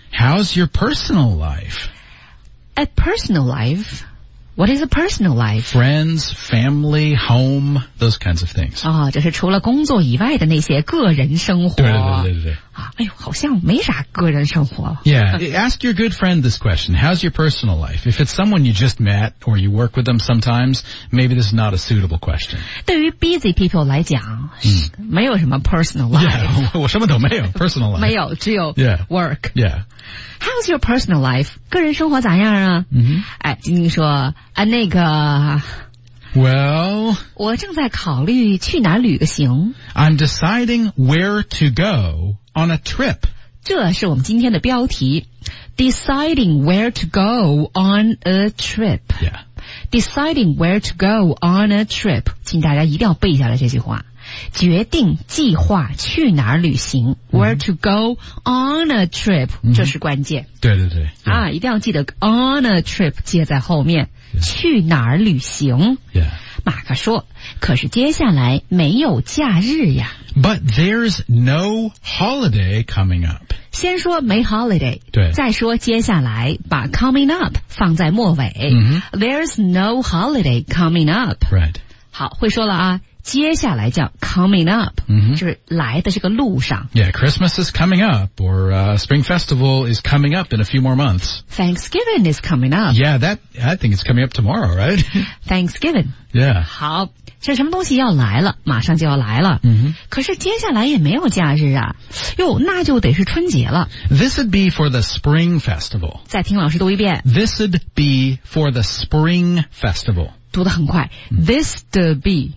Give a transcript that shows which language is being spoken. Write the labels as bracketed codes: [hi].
[en] ?How's your personal life? A personal life? What is a personal life? Friends, family, home, those kinds of things. [zh] 哦，就是除了工作以外的那些个人生活。对。哎呦，好像没啥个人生活。 [en] Yeah, ask your good friend this question. How's your personal life? If it's someone you just met or you work with them sometimes, maybe this is not a suitable question. [zh] 对于 busy people 来讲，没有什么 personal life. Yeah, 我什么都没有 personal life. 没有，只有 work. [en] Yeah. [zh] How's your personal life? 个人生活咋样啊？哎，晶晶说，那个。 [en] Well, [zh] 我正在考虑去哪旅个行。 [en] I'm deciding where to go on a trip. 这是我们今天的标题。 Deciding where to go on a trip. Yeah. Deciding where to go on a trip. [zh] 请大家一定要背下来这句话。决定计划去哪儿旅行 , where to go on a trip, 这是关键。对对对。啊一定要记得 on a trip 接在后面去哪儿旅行。 [en] Yeah. [zh] 马克说可是接下来没有假日呀。 [en] But there's no holiday coming up. [zh] 先说没 holiday, 对再说接下来把 coming up 放在末尾。 [en] There's no holiday coming up. Right. [zh] 好会说了啊。接下来叫 coming up,、就是来的这个路上。 [en] Yeah, Christmas is coming up, or, Spring Festival is coming up in a few more months. Thanksgiving is coming up. Yeah, that, I think it's coming up tomorrow, right? Thanksgiving. Yeah. [zh] 好这什么东西要来了马上就要来了。可是接下来也没有假日啊。哟那就得是春节了。 [en] This would be for the Spring Festival. [zh] 再听老师读一遍。 [en] This would be for the Spring Festival. [zh] 读得很快 This'd be